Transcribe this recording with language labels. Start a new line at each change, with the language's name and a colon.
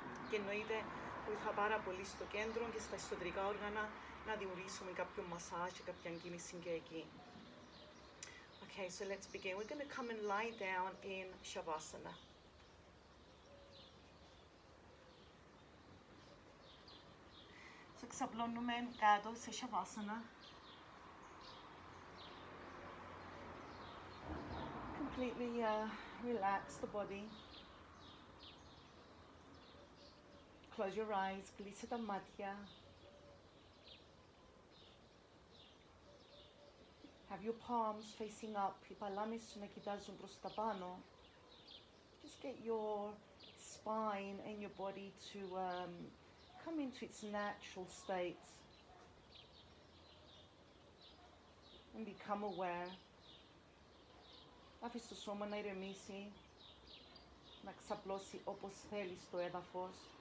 Greek: Και εννοείται βοηθά πάρα πολύ στο κέντρο και στα ιστορικά όργανα να δημιουργήσουμε κάποιο μασάζ και κάποια κίνηση και εκεί.
English: Okay, so let's begin. We're going to come and lie down in Shavasana.
Greek: So, ξαπλώνουμε κάτω σε Shavasana.
English: Completely relax the body. Close your eyes,
Greek: κλείσε τα μάτια.
English: Have your palms facing up,
Greek: οι παλάμες σου να κοιτάζουν προς τα πάνω.
English: Just get your spine and your body to come into its natural state and become aware.
Greek: Άφησε το σώμα να ηρεμήσει, να ξαπλώσει όπως θέλει στο έδαφος.